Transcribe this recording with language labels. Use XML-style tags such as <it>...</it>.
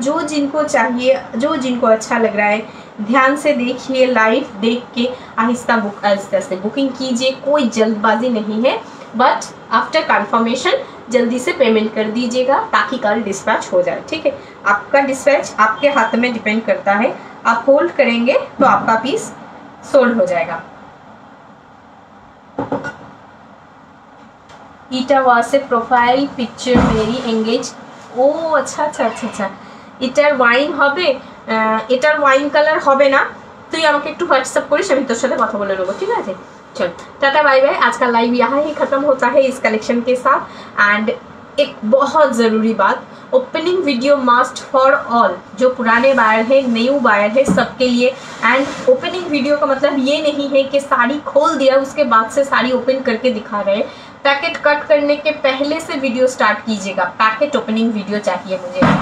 <hi>जो जिनको चाहिए, जो जिनको अच्छा लग रहा है, ध्यान से देखिए, लाइव देख के आहिस्ता बुक आहिस्ता से बुकिंग कीजिए, कोई जल्दबाजी नहीं है,</hi> <en>but after confirmation</en> <hi>जल्दी से पेमेंट कर दीजिएगा ताकि कल डिस्पैच हो जाए, ठीक है। आपका डिस्पैच आपके हाथ में डिपेंड करता है, आप होल्ड करेंगे तो आपका पीस सोल्ड हो जाएगा। इटावा से प्रोफाइल पिक्चर मेरी एंगेज, ओ अच्छा अच्छा अच्छा अच्छा, इटार वाइन</hi> <bn>হবে, এটার ওয়াইন কালার হবে না, তুই আমাকে একটু হোয়াটসঅ্যাপ করিস, আমি তোর সাথে কথা বলে নেব, ঠিক আছে।</bn> <hi>चल टाटा बाय बाय, आज का लाइव यहाँ ही खत्म होता है इस कलेक्शन के साथ। एंड एक बहुत ज़रूरी बात,</hi> <en>opening video must for all,</en> <hi>जो पुराने बायर है न्यू बायर है सबके लिए। एंड ओपनिंग वीडियो का मतलब ये नहीं है कि साड़ी खोल दिया उसके बाद से साड़ी ओपन करके दिखा रहे, पैकेट कट करने के पहले से वीडियो स्टार्ट कीजिएगा, पैकेट ओपनिंग वीडियो चाहिए मुझे।</hi>